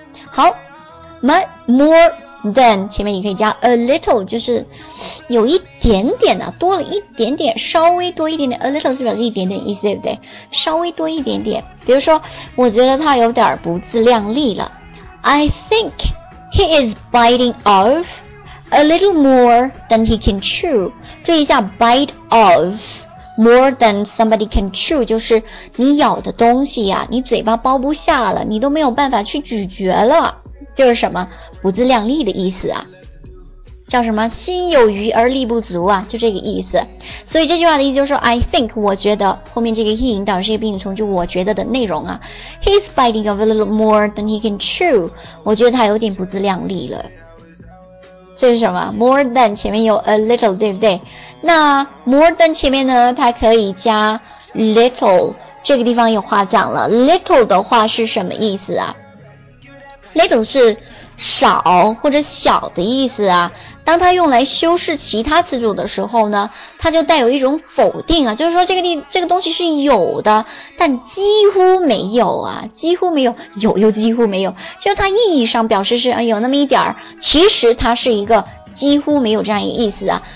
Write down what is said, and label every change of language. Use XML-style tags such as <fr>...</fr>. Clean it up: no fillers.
<zh>好， more than 前面也可以加 a little， 就是有一点点的、多了一点点，稍微多一点点。 a little 是表示一点点意思，对不对？稍微多一点点。比如说，我觉得他有点不自量力了。</zh> <en>I think he is biting off a little more than he can chew。</en> <zh>注意一下</zh> <en>bite off more than somebody can chew，</en> <zh>就是你咬的东西呀、你嘴巴包不下了，你都没有办法去咀嚼了，就是什么不自量力的意思啊，叫什么心有余而力不足啊，就这个意思。所以这句话的意思就是说 I think 我觉得，后面这个 he 引导是一个宾语从句，我觉得的内容啊。</zh> <en>He's biting off a little more than he can chew，</en> <zh>我觉得他有点不自量力了。这是什么 more than 前面有 a little， 对不对？那 more than 前面呢，它可以加 little， 这个地方有话讲了。 little 的话是什么意思啊？little 是少或者小的意思啊，当它用来修饰其他词组的时候呢，它就带有一种否定啊，就是说这个东西是有的，但几乎没有啊，几乎没有，有又几乎没有，就它意义上表示是有那么一点儿，其实它是一个几乎没有这样一个意思啊。</zh>